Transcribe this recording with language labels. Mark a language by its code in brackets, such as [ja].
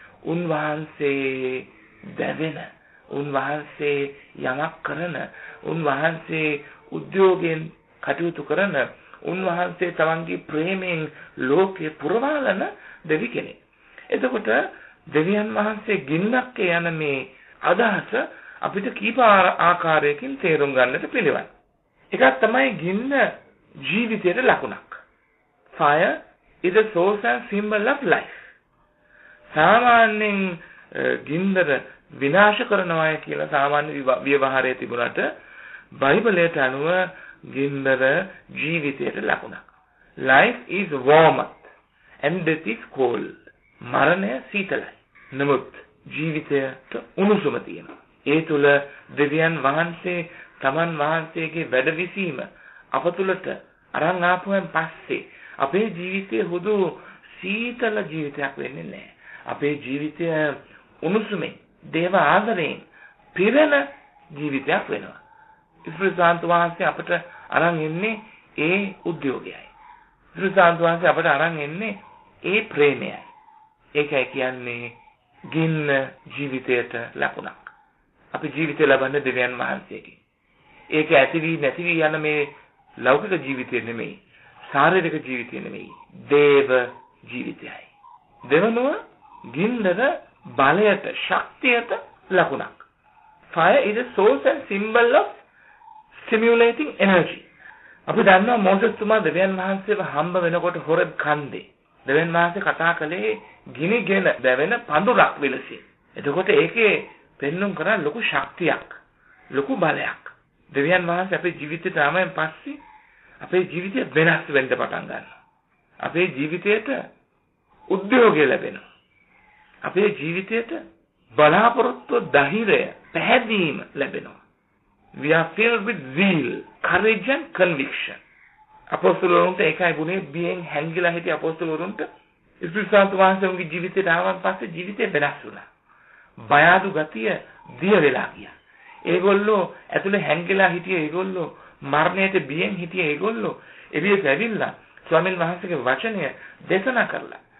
[si] උන්වහන්සේ දැවෙන, උන්වහන්සේ යමක් කරන, උන්වහන්සේ උද්‍යෝගයෙන් කටයුතු කරන, උන්වහන්සේ තමන්ගේ ප්‍රේමයෙන් ලෝකය පුරවාලන දෙවි කෙනෙක්. එතකොට දෙවියන් වහන්සේ ගින්නක් යන මේ අදහස අපිට කීප ආකාරයකින් තේරුම් ගන්නට පිළිවන්. එකක් තමයි ගින්න ජීවිතයට ලකුණක්. [en] Fire is a source and symbol of life. [si] සාමාන්‍යයෙන් ගින්දර විනාශ කරනවාය කියලා සාමාන්‍ය ව්‍යවහාරයේ තිබුණාට බයිබලයට අනුව ගින්දර ජීවිතයට ලකුණක්. [en] Life is warm and death is cold. [si] මරණය සීතලයි. නමුත් ජීවිතයට උණුසුම තියෙනවා. ඒ තුල දෙවියන් වහන්සේ තමන් වහන්සේගේ වැඩවිසීම අපතුලට අරන් ආපුවෙන් පස්සේ අපේ ජීවිතයේ හුදු සීතල ජීවිතයක් වෙන්නේ නැහැ. අපේ ජීවිතය උණුසුමේ, දේව ආදරයෙන් පිරෙන ජීවිතයක් වෙනවා. ඉස්ප්‍රසාන්ත වහන්සේ අපට අරන් එන්නේ ඒ උද්‍යෝගයයි. ඉස්ප්‍රසාන්ත වහන්සේ අපට අරන් එන්නේ ඒ ප්‍රේමයයි. ඒකයි කියන්නේ ගින්න ජීවිතයට ලකුණක්. අපි ජීවිතය ලබන්නේ දෙවියන් වහන්සේගෙන්. ඒක ඇති වී නැති වී යන මේ ලෞකික ජීවිතය නෙමෙයි, ශාරීරික ජීවිතය නෙමෙයි, දේව ජීවිතයයි. දෙවනුව ගින්දර බලයට ශක්තියට ලකුණක්. [en] Fire is a source and symbol of stimulating energy. [si] අපි දන්නවා මොසෙස් තුමා දෙවියන් වහන්සේව හම්බ වෙනකොට හොරෙබ් කන්දේ දෙවියන් වහන්සේ කතා කළේ ගිනිගෙන දැවෙන පඳුරක් විලසින්. එතකොට ඒකේ පෙන්නුම් කරා ලොකු ශක්තියක්, ලොකු බලයක්. දෙවියන් වහන්සේ අපේ ජීවිතේ තාමෙන් පස්සේ අපේ ජීවිතය වෙනස් වෙන්න පටන් ගන්නවා. අපේ ජීවිතයට උද්‍යෝගය ලැබෙනවා. අපේ ජීවිතයට බලාපොරොත්තු, ධෛර්යය, පැහැදීම ලැබෙනවා. [en] We are filled with zeal, courage and conviction. [si] අපොස්තුලවරුන්ට ඒකයි වුණේ. being හැංගිලා හිටිය අපොස්තුලවරුන්ට ඉස්සුසාන්ත වහන්සේගේ ජීවිතයට ආවන් පස්සේ ජීවිතය වෙනස් වුණා. බය අඩු ගතිය දිය වෙලා ගියා. ඒගොල්ලෝ ඇතුලේ හැංගිලා හිටිය ඒගොල්ලෝ මරණයට බියෙන් හිටිය ඒගොල්ලෝ එළියට ඇවිල්ලා ස්වාමීන් වහන්සේගේ වචනය දේශනා කළා.